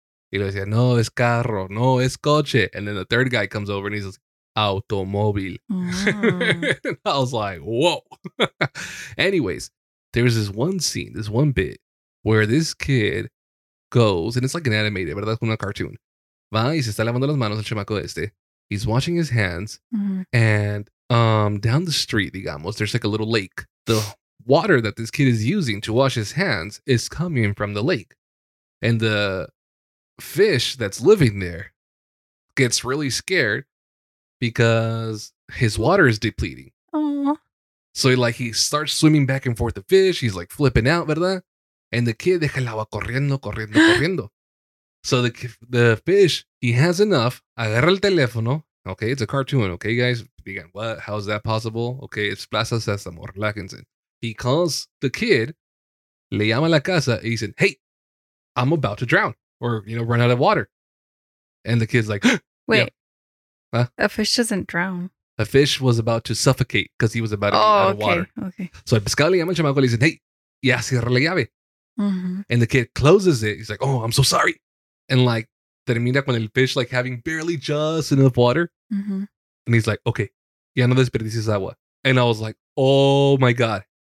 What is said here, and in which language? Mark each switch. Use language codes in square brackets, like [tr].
[es] Y lo decía, no, es carro, no, es coche. [en] And then the third guy comes over and he says, automobil. Mm. I was like, whoa. Anyways, there's this one scene, this one bit where this kid goes, and it's like an animated, but that's like a cartoon. [es] Va y se está lavando las manos el chamaco este. [en] He's washing his hands, and down the street, [es] digamos, [en] there's like a little lake. The water that this kid is using to wash his hands is coming from the lake. And the fish that's living there gets really scared because his water is depleting. Aww. So like he starts swimming back and forth the fish. He's like flipping out, [es] ¿verdad? [en] And the kid [es] deja el agua corriendo, corriendo, [en] corriendo. So the fish, he has enough. [es] Agarra el teléfono. [en] Okay, it's a cartoon. Okay, guys. Began, what? How is that possible? Okay, it's Plaza Sésamo. [es] Relájense. [en] He calls the kid, [es] le llama a la casa, [en] and he said, hey, I'm about to drown or, you know, run out of water. And the kid's like, wait, yeah. Huh? A fish doesn't drown. A fish was about to suffocate because he was about to run out of water. Okay. [es] So el pescado le llama al chamaco, le dicen, [en] hey, [es] ya cierra la llave. Mm-hmm. [en] And the kid closes it. He's like, oh, I'm so sorry. And like, [es] termina con el [en] fish like having barely just enough water. Mm-hmm. And he's like, okay, [es] ya no desperdices agua. [en] And I was like, oh my God.